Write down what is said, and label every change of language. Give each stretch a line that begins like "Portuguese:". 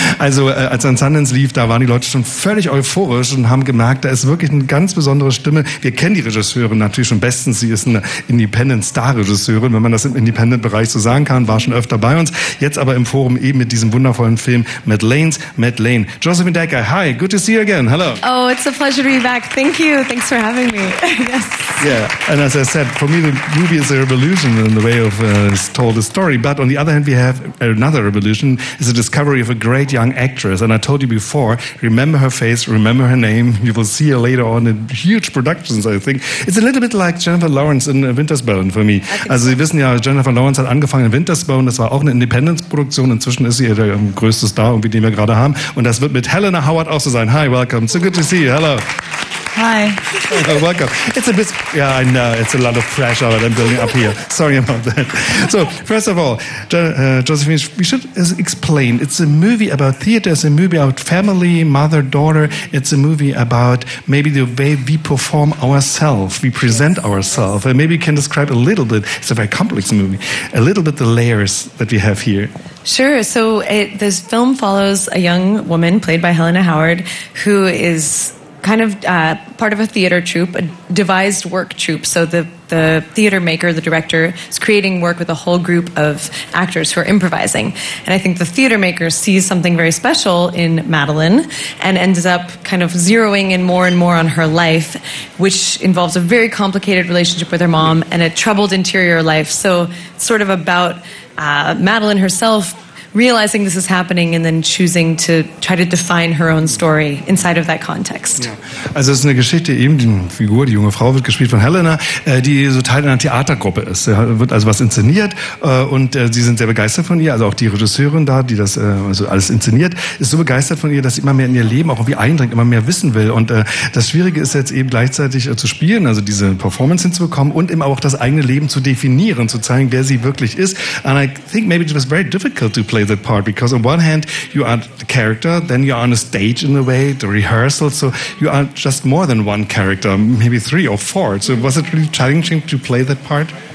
German: Also als dann Sundance lief, da waren die Leute schon völlig euphorisch und haben gemerkt, da ist wirklich eine ganz besondere Stimme. Wir kennen die Regisseurin natürlich schon bestens. Sie ist eine Independent-Star-Regisseurin, wenn man das im Independent-Bereich so sagen kann, war schon öfter bei uns. Jetzt aber im Forum eben mit diesem wundervollen Film Madeleine.
English: Josephine Decker, hi, good to see you again. Hello. Oh, it's a pleasure to be back. Thank you. Thanks for having me. Yes. Yeah, and as I said, for me the movie is a revolution in the way of told the story. But on the other hand, we have another revolution. Is the discovery of a great young actress. And I told you before, remember her face, remember her name. You will see her later on in huge productions, I think. It's a little bit like Jennifer Lawrence in Winter's Bone for me.
German: Also Sie wissen ja, Jennifer Lawrence hat angefangen in Winter's Bone. Das war auch eine Independence-Produktion. Inzwischen ist sie der größte Star, irgendwie, den wir gerade haben. Und das wird mit Helena Howard auch so sein.
English: Hi, welcome. So good to see you. Hello. Hi. Oh, welcome. It's a bit, yeah, I know, it's a lot of pressure that I'm building up here. Sorry about that. So, first of all, Josephine, we should explain. It's a movie about theater, it's a movie about family, mother, daughter. It's a movie about maybe the way we perform ourselves, we present ourselves. And maybe you can describe a little bit, it's a very complex movie, a little bit the layers that we have here. Sure. So, this film follows a young woman, played by Helena Howard, who is kind of part of a theater troupe, a devised work troupe. So the theater maker, the director, is creating work with a whole group of actors who are improvising. And I think the theater maker sees something very special in Madeleine and ends up kind of zeroing in more and more on her life, which involves a very complicated relationship with her mom and a troubled interior life. So it's sort of about Madeleine herself realizing this is happening and then choosing to try to define her own story inside of that context.
German: Ja. Also es ist eine Geschichte, eben die Figur, die junge Frau wird gespielt von Helena, die so Teil einer Theatergruppe ist. Ja, wird also was inszeniert und sie sind sehr begeistert von ihr, also auch die Regisseurin da, die das also alles inszeniert, ist so begeistert von ihr, dass sie immer mehr in ihr Leben auch irgendwie eindringt, immer mehr wissen will. Und das Schwierige ist jetzt eben gleichzeitig zu spielen, also diese Performance hinzubekommen und eben auch das eigene Leben zu definieren, zu zeigen, wer sie wirklich ist.
English: And I think maybe it was very difficult to play that part, because on one hand you are the character, then you are on a stage in a way, the rehearsal, so you are just more than one character, maybe three or four. So was it really challenging to play that part?